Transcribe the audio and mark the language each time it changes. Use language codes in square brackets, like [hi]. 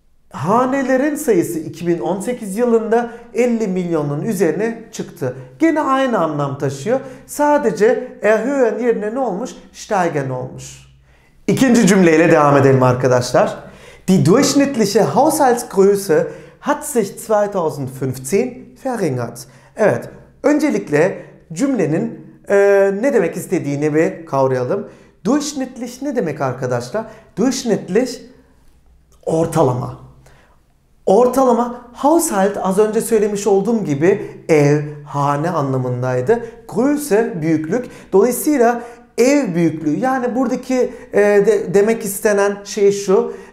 [tr] Hanelerin sayısı 2018 yılında 50 milyonun üzerine çıktı. Gene aynı anlam taşıyor. Sadece erhöhen yerine ne olmuş? Steigen olmuş. İkinci cümleyle devam edelim arkadaşlar. [de] Die durchschnittliche Haushaltsgröße hat sich 2015 verringert. [tr] Evet, öncelikle cümlenin ne demek istediğini bir kavrayalım. Durchschnittlich ne demek arkadaşlar? Durchschnittlich ortalama. Ortalama, Haushalt az önce söylemiş olduğum gibi ev, hane anlamındaydı. Größe büyüklük. Dolayısıyla ev büyüklüğü, yani buradaki demek istenen şey şu.